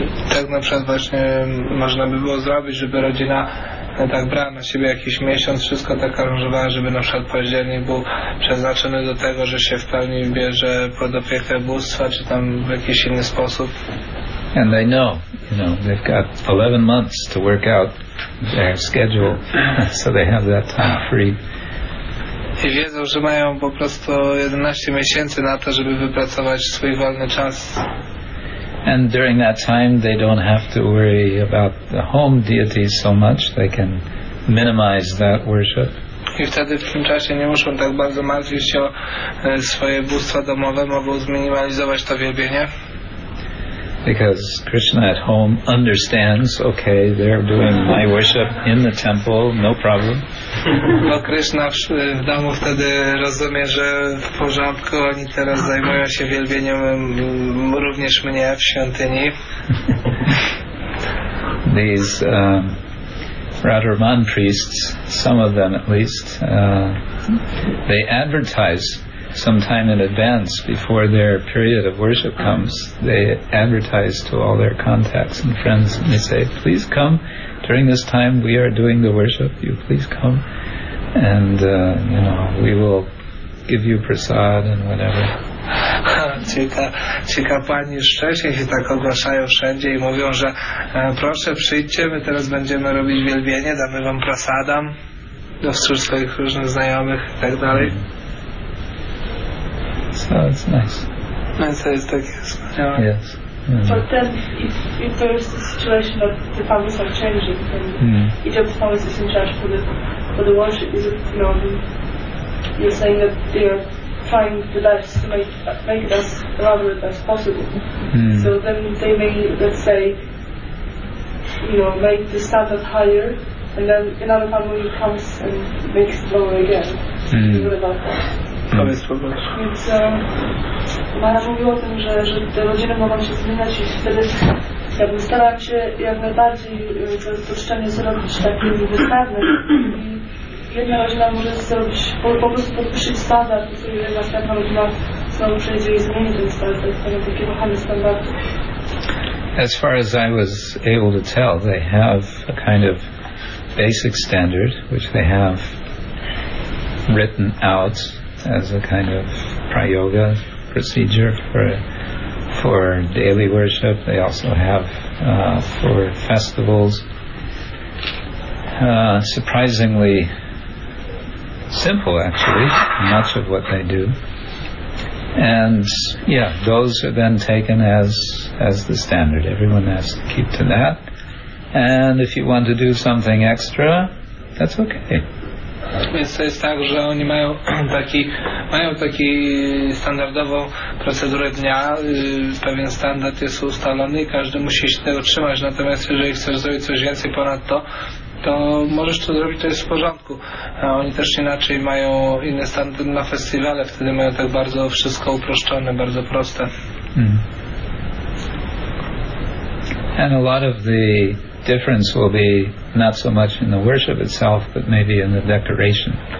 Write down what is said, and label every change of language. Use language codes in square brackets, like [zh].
[pl] Tak na przykład właśnie można by było zrobić, żeby rodzina tak brała na siebie jakiś miesiąc, wszystko tak aranżowała, żeby na przykład październik był przeznaczony do tego, że się w pełni bierze pod opiekę bóstwa, czy tam w jakiś inny sposób. [en] And they know, you know, they've got 11 months to work out their schedule, so they have that time free. [pl] I wiedzą, że mają po prostu 11 miesięcy na to, żeby wypracować swój wolny czas. [en] And during that time they don't have to worry about the home deities so much. They can minimize that worship. [pl] I wtedy w tym czasie nie muszą tak bardzo martwić się o swoje bóstwa domowe, mogą zminimalizować to wielbienie. [en] Because Krishna at home understands, okay, they're doing my worship in the temple, no problem. [pl] Bo Krishna w domu wtedy rozumie, że w porządku, oni teraz zajmują się wielbieniem również mnie w świątyni. [en] These Radharman priests, some of them at least, they advertise some time in advance before their period of worship comes, they advertise to all their contacts and friends, and they say, please come during this time, we are doing the worship, you please come, and you know, we will give you prasad and whatever. [pl] Ci kapłani już wcześniej się tak ogłaszają wszędzie i mówią, że proszę przyjdźcie, my teraz będziemy robić wielbienie, damy wam prasadam do wstróż swoich różnych znajomych i tak dalej. [en] So it's nice. And so it's like, yeah. Yes. Mm. But then, if there is a situation that the families are changing, and each of the families is in charge for the worship, is it, you know, you're saying that they are trying the best to make it as elaborate as possible. Mm. So then they may, let's say, you know, make the standard higher, and then another family comes and makes it lower again. Mm. What about that? Hmm. [pl] Więc Mara mówiła o tym, że te rodziny mogą się zmieniać i wtedy jakby starać się jak najbardziej to szczenie zrobić takie niewystawne. Jedna rodzina może zrobić, po prostu podwyższyć standard, i sobie następna rodzina znowu przejdzie i zmieni ten standard, to jest takie wahanie standardu. [en] As far as I was able to tell, they have a kind of basic standard, which they have written out as a kind of prayoga procedure for daily worship. They also have for festivals. Surprisingly simple, actually, much of what they do. And yeah, those are then taken as the standard. Everyone has to keep to that. And if you want to do something extra, that's okay. [pl] Więc to jest tak, że oni mają taki standardową procedurę dnia, pewien standard jest ustalony i każdy musi się tego trzymać, natomiast jeżeli chcesz zrobić coś więcej ponad to, to możesz to zrobić, to jest w porządku. A oni też inaczej mają inny standard na festiwale, wtedy mają tak bardzo wszystko uproszczone, bardzo proste. Mm. [en] And a lot of the difference will be not so much in the worship itself, but maybe in the decoration.